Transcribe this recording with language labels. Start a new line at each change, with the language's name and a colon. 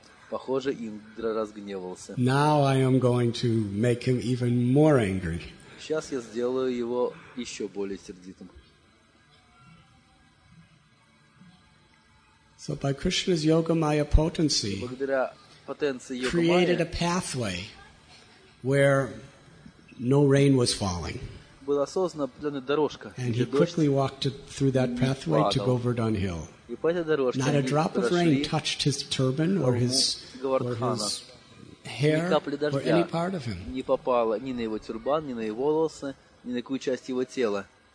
Russian: Похоже, Индра разгневался.
English: Now I am going to make him even more angry.
Russian: Сейчас я сделаю его еще более сердитым.
English: So by Krishna's yoga maya potency,
Russian: благодаря потенции йога
English: created a pathway where no rain was falling.
Russian: Была создана определенная дорожка.
English: And he quickly walked through that pathway to Govardhan Hill.
Russian: И по этой дорожке
English: not a drop of rain touched his turban or his
Russian: Hair, ни капли дождя не попало ни на его тюрбан, ни на его волосы, ни на какую часть его тела.